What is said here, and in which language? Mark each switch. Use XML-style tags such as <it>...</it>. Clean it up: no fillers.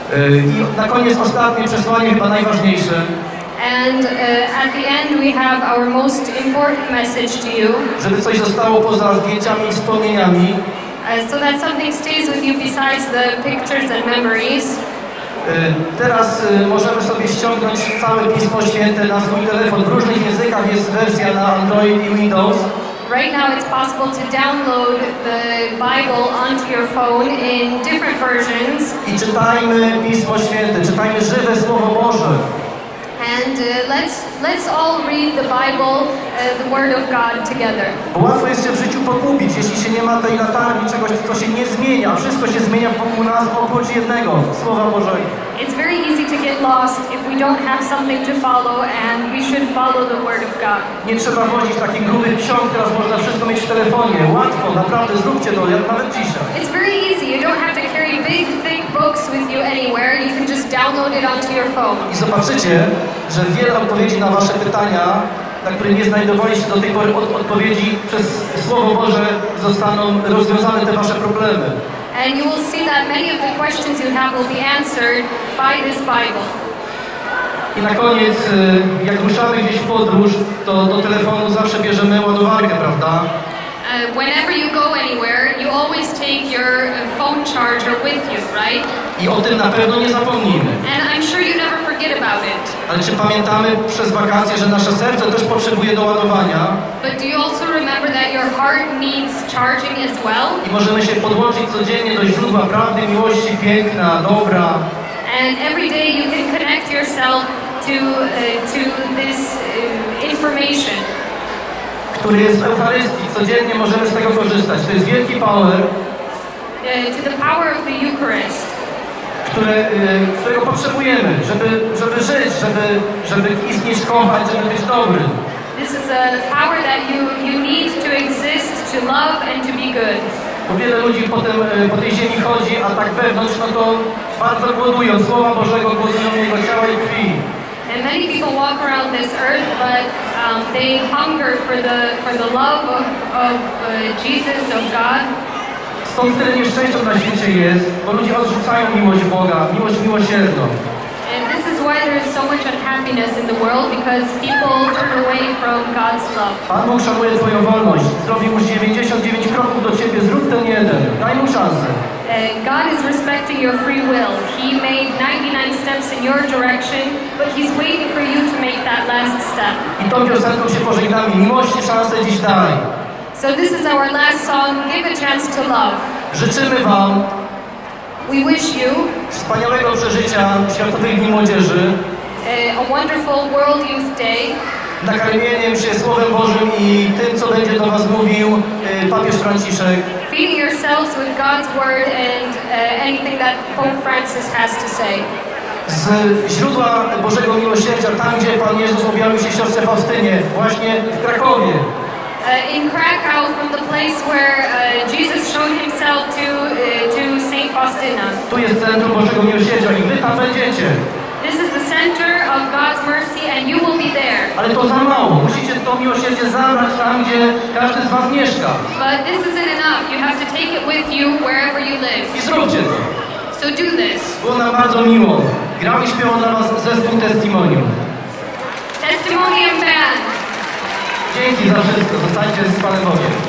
<pl>I na koniec ostatnie przesłanie, chyba najważniejsze.</pl> <en>And at the end we have our most important message to you.</en> <pl>Żeby coś zostało poza zdjęciami i wspomnieniami.</pl> <en>So that something stays with you besides the pictures and memories.</en> <pl>Teraz możemy sobie ściągnąć całe Pismo Święte na swój telefon. W różnych językach jest wersja na Android i Windows.</pl> <en>Right now it's possible to download the Bible onto your phone in different versions.</en> <pl>I czytajmy Pismo Święte, czytajmy żywe Słowo Boże.</pl> <en>And let's all read the Bible, the Word of God together.</en> <pl>Bo łatwo jest się w życiu pogubić, jeśli się nie ma tej latarni, czegoś, co się nie zmienia. Wszystko się zmienia wokół nas, oprócz jednego, Słowa Bożego.</pl> <en>It's very easy to get lost if we don't have something to follow and we should follow the Word of God.</en> <pl>Nie trzeba wodzić takich grubych ksiąg, teraz można wszystko mieć w telefonie. Łatwo, naprawdę, zróbcie to, nawet dzisiaj.</pl> <en>It's very easy, you don't have to carry big thick books with you anywhere, you can just download it onto your phone.</en> <pl>I zobaczycie, że wiele odpowiedzi na wasze pytania, na które nie znajdowaliście do tej pory odpowiedzi, przez Słowo Boże zostaną rozwiązane te wasze problemy.</pl> <en>And you will see that many of the questions you have will be answered by this Bible.</en> <pl>I na koniec, jak ruszamy gdzieś w podróż, to do telefonu zawsze bierzemy ładowarkę, prawda?</pl> <en>Whenever you go anywhere, you always take your phone charger with you, right?</en> <pl>I o tym na pewno nie zapomnimy.</pl> <en>And I'm sure you never forget about it.</en> <pl>Ale czy pamiętamy przez wakacje, że nasze serce też potrzebuje doładowania?</pl> <en>But do you also remember that your heart needs charging as well?</en> <pl>I możemy się podłączyć codziennie do źródła prawdy, miłości, piękna, dobra.</pl> <en>And every day you can connect yourself to this information.</en> <pl>Który jest w Eucharystii, codziennie możemy z tego korzystać. To jest wielki power.</pl> <en>To the power of the Eucharist.</en> <pl>Którego potrzebujemy, żeby żyć, żeby istnieć, kochać, żeby być dobry.</pl> <en>This is a power that you need to exist, to love and to be good.</en> <pl>Bo wiele ludzi potem po tej ziemi chodzi, a tak wewnątrz, no to bardzo głodują. Słowa Bożego głodują jego ciała i krwi.</pl> <en>And many people walk around this earth, but they hunger for the love of Jesus, of God.</en> <pl>Stąd tyle nieszczęścia na świecie jest, bo ludzie odrzucają miłość Boga, miłość miłosierną.</pl> <en>And this is why there is so much unhappiness in the world, because people turn away from God's love.</en> <pl>Pan Bóg szanuje twoją wolność. Zrobił już 99 kroków do ciebie, zrób ten jeden. Daj mu szansę.</pl> <en>God is respecting your free will. He made 99 steps in your direction, but he's waiting for you to make that last step.</en> <pl>I tą piosenką się pożegnamy. Miłości szansę dziś daj.</pl> <en>So this is our last song, Give a Chance to Love.</en> <pl>Życzymy wam.</pl> <en>We wish you</en> <pl>wspaniałego przeżycia Światowych Dni Młodzieży.</pl> <en>A wonderful World Youth Day.</en> <pl>Nakarmieniem się Słowem Bożym i tym, co będzie do was mówił papież Franciszek.</pl> <en>Feed yourselves with God's word and anything that Pope Francis has to say.</en> <pl>Z źródła Bożego Miłosierdzia, tam gdzie Pan Jezus objawił się siostrze Faustynie, właśnie w Krakowie.</pl> <en>In Krakow, from the place where Jesus showed himself to St. Faustina.</en> <pl>Tu jest centrum Bożego Miłosierdzia i wy tam będziecie.</pl> <en>This is the center of God's mercy and you will be there.</en> <pl>Ale to za mało. Musicie to miłosierdzie zabrać tam, gdzie każdy z was mieszka.</pl> <en>But this isn't enough. You have to take it with you wherever you live.</en> <pl>I zróbcie to.</pl> <en>So do this.</en> <pl>Było nam bardzo miło. Grał i śpiewał dla was zespół Testimonium.</pl> <en>Testimonium Band.</en> <pl>Dzięki za wszystko. Zostańcie z Panem Bogiem.</pl>